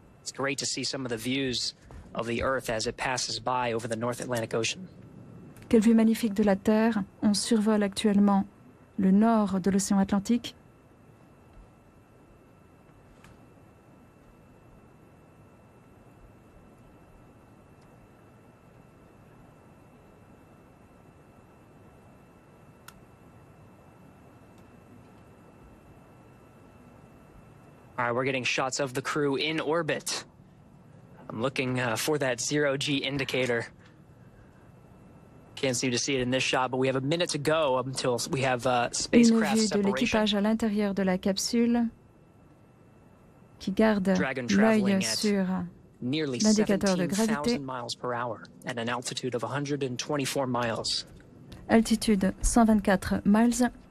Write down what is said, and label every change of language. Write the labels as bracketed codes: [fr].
[en] It's great to see some of the views of the Earth as it passes by over the North Atlantic Ocean. [fr] Quelle vue magnifique de la Terre. On survole actuellement le nord de l'océan Atlantique. [en] All right, we're getting shots of the crew in orbit. I'm looking for that zero G indicator. Can't seem to see it in this shot, but we have a minute to go until we have spacecraft separation. [fr] Une vue de l'équipage à l'intérieur de la capsule qui garde l'œil sur l'indicateur de gravité. [en] At an altitude of 124 miles. [fr] Altitude 124 miles.